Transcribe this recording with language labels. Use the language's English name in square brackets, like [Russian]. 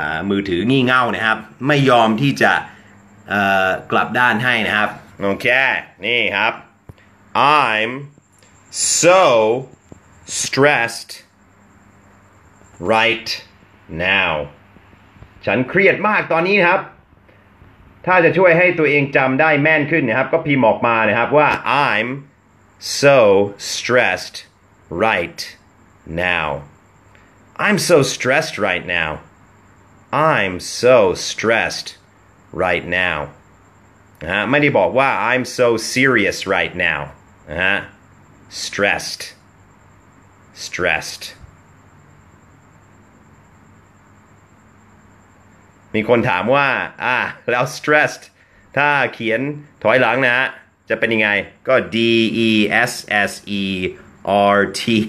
[Thai] มือถืองี่เง่านะครับไม่ยอมที่จะกลับด้านให้นะครับโอเคนี่ครับ [English] I'm so stressed right now [Thai] ฉันเครียดมากตอนนี้นะครับถ้าจะช่วยให้ตัวเองจำได้แม่นขึ้นนะครับก็พิมพ์ออกมานะครับว่า [English] I'm so stressed rightNow, I'm so stressed right now. I'm so stressed right now. [Thai] ไม่ได้บอกว่า [English] I'm so serious right now. Stressed. Stressed. [Thai] มีคนถามว่าแล้ว stressed ถ้าเขียนถอยหลังนะจะเป็นยังไงก็ D-E-S-S-E-R-T.